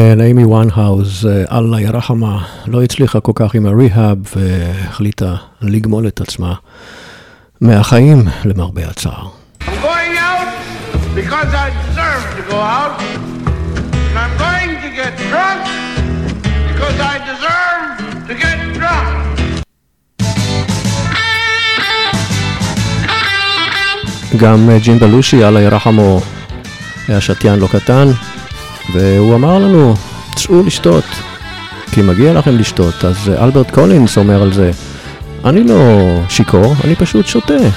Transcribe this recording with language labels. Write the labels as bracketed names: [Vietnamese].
[Hebrew] אמי וואנהאוז, אללה ירחמה, לא הצליחה כל כך עם הריהאב והחליטה לגמול את עצמה מהחיים למרבה הצער. [English] I'm going out because I deserve to go out. And I'm going to get drunk because I deserve to get drunk. [Hebrew] גם ג'ים בלושי, אללה ירחמו, היה שתיין לא קטן, והוא אמר לנו, צאו לשתות, כי מגיע לכם לשתות. אז אלברט קולינס אומר על זה, אני לא שיקור, אני פשוט שותה.